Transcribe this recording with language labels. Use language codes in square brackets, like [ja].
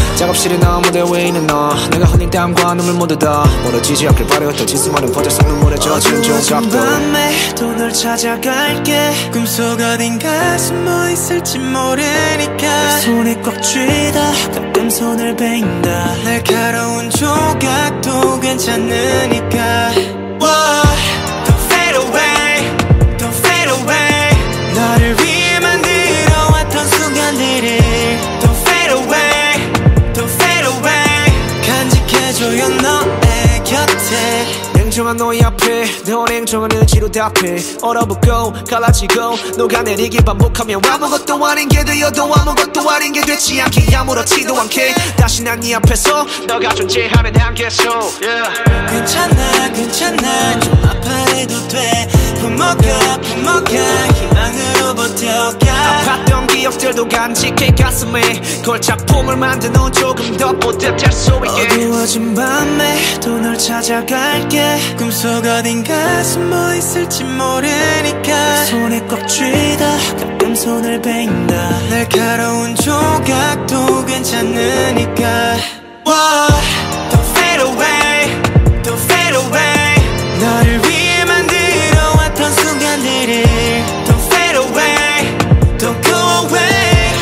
[ko] 작업실에 나온 무대 위에 있는 너. 내가 흘린 땀과 눈물 모두 다 멀어지지 않길 바라였던 진수만은 퍼져서 눈물에 젖은 조각들. 어두운 밤에 또 널 찾아갈게. 꿈속 어딘가 숨어 있을지 모르니까 손에 꽉 쥐다 가끔 손을 베인다. 새로운 조각도 괜찮으니까. [en] What? Don't fade away, don't fade away. [ko] 너를 위해 만들어 왔던 순간들이. [en] Don't fade away, don't fade away. [ko] 간직해줘요 너의 곁에. 냉정한 너의 앞에 너의 냉정한 의지로 답해. 얼어붙고 갈라지고 녹아내리길 반복하면 아무것도 아닌 게 되어도 아무것도 아닌 게 되지 않게 아무렇지도 않게 다시 난 네 앞에서 너가 존재하는 한계 속 yeah. 괜찮아 괜찮아 좀 아파해도 돼. 품어가 품어가 희망으로 버텨가. 아팠던 기억들도 간직해 가슴에. 걸작품을 만든 후 조금 더 뿌듯할 수 있게. 어두워진 밤에 또 널 찾아갈게. 꿈속 어딘가 숨어 있을지 모르니까 손에 꽉 쥐다 가끔 손을 베인다. 날카로운 조각도 괜찮으니까. [en] What? Don't fade away, don't fade away. [ko] 너를 위해 만들어 왔던 순간들이. [en] Don't fade away, don't go away.